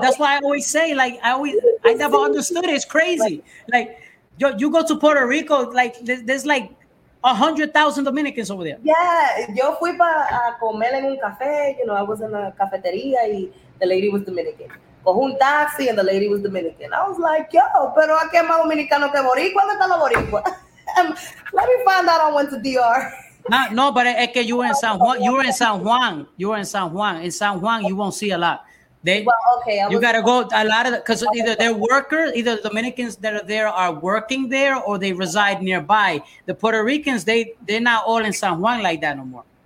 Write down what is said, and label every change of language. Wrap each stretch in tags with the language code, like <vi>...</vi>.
<en>That's why I always say, like, I never understood it. It's crazy. Like, you go to Puerto Rico, like, there's like 100,000 Dominicans over there.</en> <es>Yeah. Yo fui para comer en un café.</es> <en>You know, I was in a cafeteria y the lady was Dominican. Un taxi and the lady was Dominican. I was like,</en> <es>yo, pero aquí más dominicano que boricua, ¿dónde está la boricua?</es> <en>Let me find out. I went to DR. No, but</en> <es>es que</es> <en>you were in San Juan. In San Juan, you won't see a lot. You gotta go a lot of either they're workers, either Dominicans that are there are working there or they reside nearby. The Puerto Ricans, they're not all in San Juan like that no more.</en>